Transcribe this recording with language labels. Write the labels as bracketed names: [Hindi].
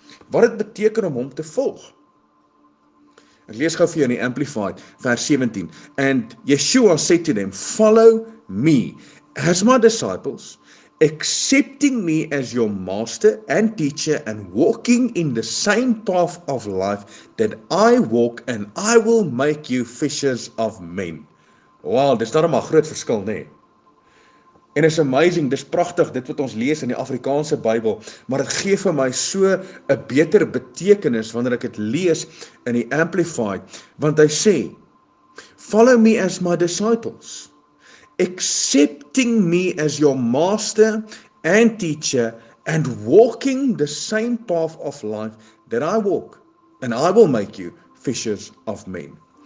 [Afrikaans] Wat dit beteken om hom te volg. Ek lees gou vir jou in die Amplified vers 17. [English] And Yeshua said to them, follow me as my disciples, accepting me as your master and teacher and walking in the same path of life that I walk and I will make you fishers of men. [Afrikaans] Wow, dis daarom 'n groot verskil, nê? En [English] it's amazing, [Afrikaans] dis pragtig, dit wat ons lees in die Afrikaanse Bybel, maar dit gee vir my so 'n beter betekenis wanneer ek dit lees in die Amplified, want hy sê, [English] follow me as my disciples, accepting me as your master and teacher and walking the same path of life that I walk and I will make you fishers of men.